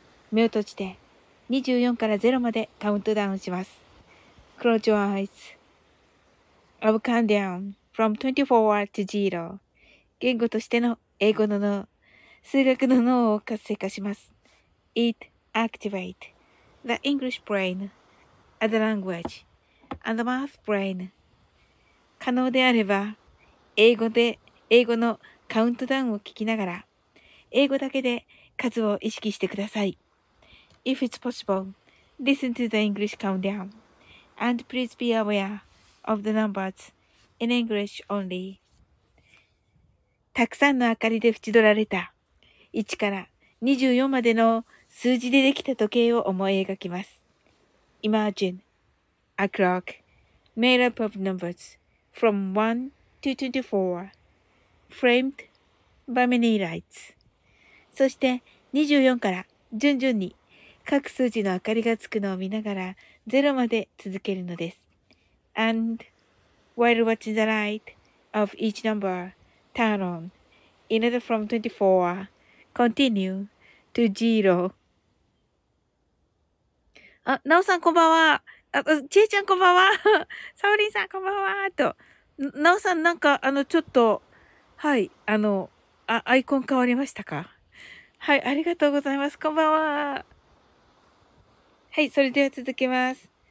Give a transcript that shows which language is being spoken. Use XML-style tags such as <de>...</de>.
<ja>目を閉じて24から0までカウントダウンします。</ja> <en>Close your eyes. I will count down from 24 to 0.</en> <ja>言語としての英語の脳、数学の脳を活性化します。</ja> <en>It activate. The English brain, and the language, and the math brain.</en> <ja>可能であれば、英語のカウントダウンを聞きながら、英語だけで数を意識してください。</ja> <en>If it's possible, listen to the English countdown, and please be aware of the numbers in English only.</en> <ja>たくさんの明かりで縁取られた、1から24までの数字でできた時計を思い描きます。</ja> <en>Imagine a clock made up of numbers from 1 to 24, framed by many lights.</en> <ja>そして24から順々に各数字の明かりがつくのを見ながら0まで続けるのです。</ja> <en>And while watching the light of each number turn on, in order from 24, continue to 0.</en> <ja>あ、なおさんこんばんは。あ、ちえちゃんこんばんは。サオリンさんこんばんは。と、なおさんなんかちょっと、はい、アイコン変わりましたか？はい、ありがとうございます。こんばんは。はい、それでは続けます。</ja>